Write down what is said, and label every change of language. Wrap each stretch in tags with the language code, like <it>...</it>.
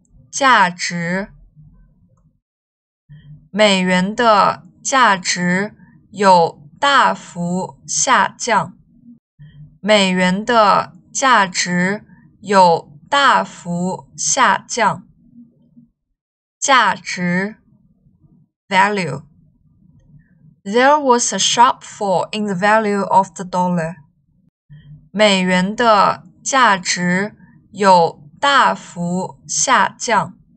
<zh>价值美元的价值有大幅下降。美元的价值有大幅下降。价值 value.</zh> <en>There was a sharp fall in the value of the dollar.</en> <zh>美元的价值有大幅下降。</zh>